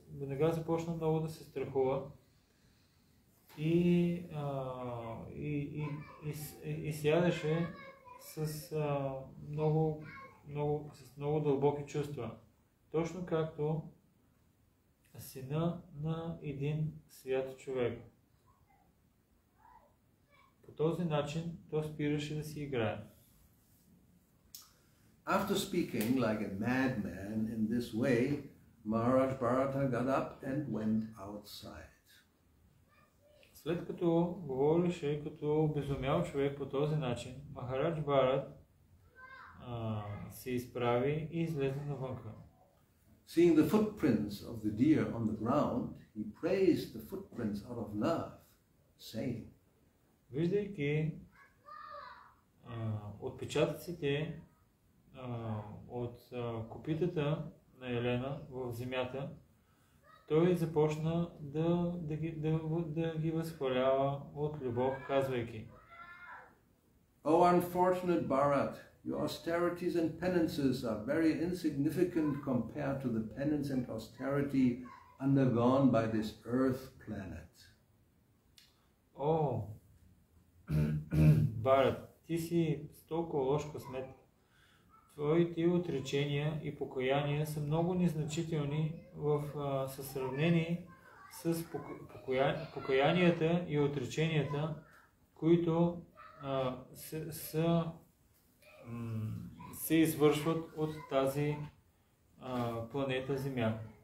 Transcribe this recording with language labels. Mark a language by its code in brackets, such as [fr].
[bg] започна много да се страхува и сядаше с много дълбоки чувства, точно както сина на един свят човек. По този начин то спираше да си играе. [en] After speaking like a madman in this way, Maharaj Bharata got up and went outside. [bg] След като говореше като обезумял човек по този начин, Махарадж Барат се изправи и излезе навънка. [en] Seeing the footprints of the deer on the ground, he praised the footprints out of love, saying. [bg] Виждайки отпечатъците от копитата на Елена в земята, той започна да ги възхвалява от любов, казвайки. [en] О, unfortunate Bharat! Your austerities and penances are very insignificant compared to the penance and austerity undergone by this earth planet. [bg] Oh, Bharat, ти си толкова лош късмет. Твоите отречения и покаяния са много незначителни в сравнение с покаянията и отреченията, които са се извършват от тази планета Земя.